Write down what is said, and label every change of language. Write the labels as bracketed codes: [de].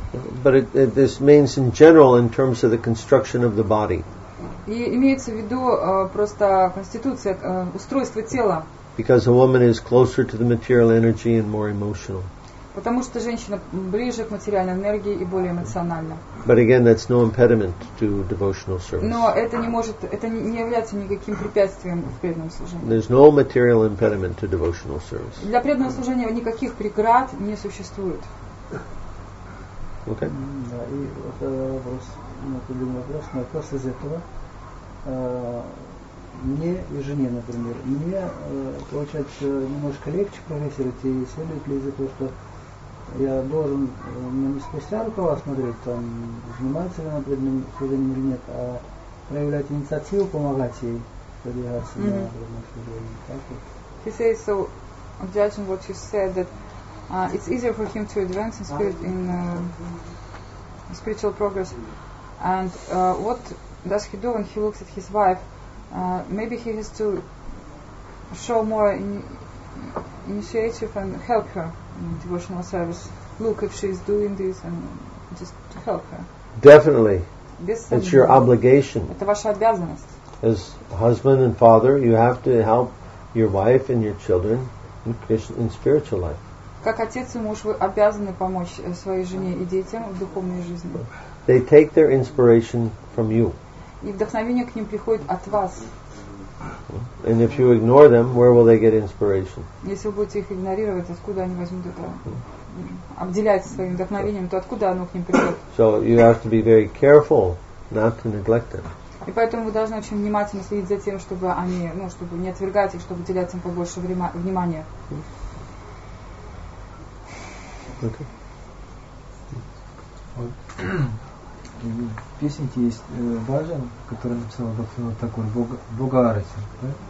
[en] But this means in general in terms of the construction of the body. [ru] И имеется в виду просто конституция, устройство тела. [en] Because a woman is closer to the material energy and more emotional. [ru] Потому что женщина ближе к материальной энергии и более эмоциональна. [en] But again, that's no impediment to devotional service. [ru] Но это не может, это не является никаким препятствием в преданном служении. [en] There's no material impediment to devotional service. [ru] Для преданного служения никаких преград не существует. [en] Okay. [ru] Да, и вот вопрос, вопрос из этого. Мне и жене, например, мне получается немножко легче прогрессировать, и следует ли из-за того, что я должен не спустя рукава смотреть, там, занимается ли она преданным служением или нет, а проявлять инициативу, помогать ей продвигаться на преданном служении. Так вот. [en] He says, so I'm judging what you said, that it's easier for him to advance in spirit, in spiritual progress. And what does he do when he looks at his wife? Maybe he has to show more initiative and help her. Devotional service. Look, if she is doing this, and just to help her. Definitely. It's your obligation. [ru] Это ваша обязанность. [en] As husband and father, you have to help your wife and your children in spiritual life. [ru] Как отец и муж, вы обязаны помочь своей жене и детям в духовной жизни. [en] They take their inspiration from you. [ru] И вдохновение к ним приходит от вас. [en] And if you ignore them, where will they get inspiration? [ru] Если вы будете их игнорировать, откуда они возьмут это? Обделять своим вдохновением, то откуда оно к ним придет? [en] So you have to be very careful not to neglect them. [ru] И поэтому вы должны очень внимательно следить за тем, чтобы они, ну, чтобы не отвергать их, чтобы уделять им побольше внимания. В песенке есть бажан, который написал Бхактивинода Тхакур, Бхагарати. Да?